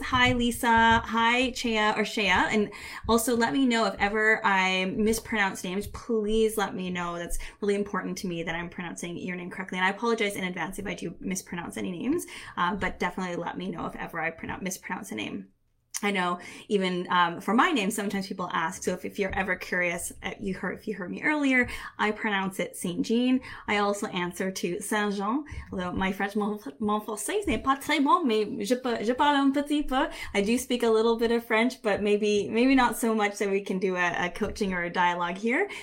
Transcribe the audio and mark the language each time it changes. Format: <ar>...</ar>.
<en>Hi, Lisa. Hi, Chea or Shea. And also let me know if ever I mispronounce names, please let me know. That's really important to me that I'm pronouncing your name correctly. And I apologize in advance if I do mispronounce any names, but definitely let me know if ever I mispronounce a name. I know even for my name, sometimes people ask. So if you're ever curious, if you heard me earlier, I pronounce it Saint Jean. I also answer to Saint Jean, although my French,</en> <fr>mon français n'est pas très bon, mais je parle un petit peu.</fr> <en>I do speak a little bit of French, but maybe not so much that we can do a coaching or a dialogue here.</en>